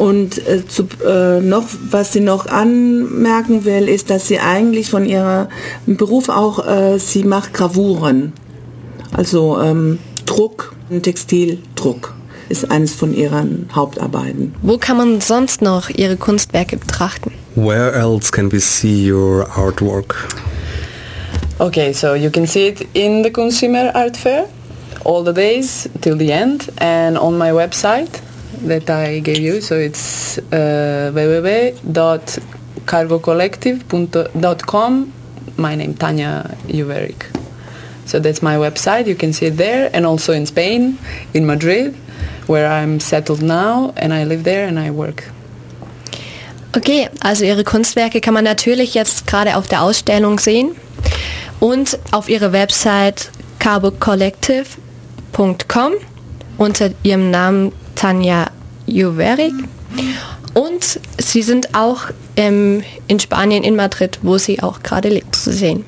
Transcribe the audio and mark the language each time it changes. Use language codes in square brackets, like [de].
[de] Und was sie noch anmerken will, ist, dass sie eigentlich von ihrem Beruf auch, sie macht Gravuren, also Druck, Textildruck. Ist eines von ihren Hauptarbeiten. Wo kann man sonst noch ihre Kunstwerke betrachten? [en] Where else can we see your artwork? Okay, so you can see it in the Consumer Art Fair all the days till the end and on my website that I gave you. So it's www.cargocollective.com. My name Tanya Juverik. So that's my website. You can see it there and also in Spain, in Madrid. Where I'm settled now and I live there and I work. [de] Okay, also Ihre Kunstwerke kann man natürlich jetzt gerade auf der Ausstellung sehen und auf Ihrer Website carbocollective.com unter Ihrem Namen Tanya Juverik. Und Sie sind auch in Spanien, in Madrid, wo Sie auch gerade liegt, zu sehen.